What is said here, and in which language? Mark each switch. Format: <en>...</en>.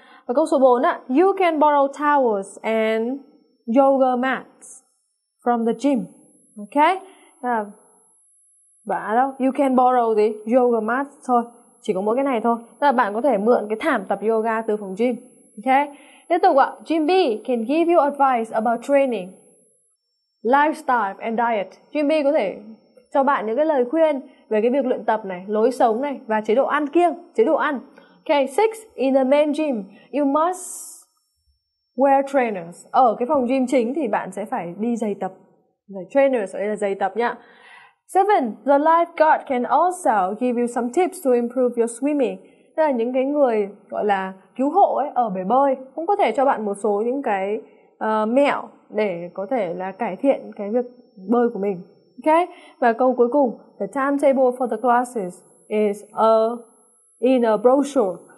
<vi>Và câu số 4,</vi> <en>you can borrow towels and yoga mats from the gym.</en> <vi>Ok, bạn đâu,</vi> <en>you can borrow the yoga mats</en> <vi>thôi. Chỉ có mỗi cái này thôi. Tức là bạn có thể mượn cái thảm tập yoga từ phòng gym. Ok. Tiếp tục ạ.</vi> <en>Gym B can give you advice about training, lifestyle and diet.</en> <vi>Gym B có thể cho bạn những cái lời khuyên về cái việc luyện tập này, lối sống này và chế độ ăn kiêng, chế độ ăn. Ok. 6.</vi> <en>In the main gym, you must wear trainers.</en> <vi>Ở cái phòng gym chính thì bạn sẽ phải đi giày tập. Trainers ở đây là giày tập nhá. 7.</vi> <en>The lifeguard can also give you some tips to improve your swimming.</en> <vi>Tức là những cái người gọi là cứu hộ ấy, ở bể bơi cũng có thể cho bạn một số những cái mẹo để có thể là cải thiện cái việc bơi của mình. Ok. Và câu cuối cùng,</vi> <en>the timetable for the classes is in a brochure.</en>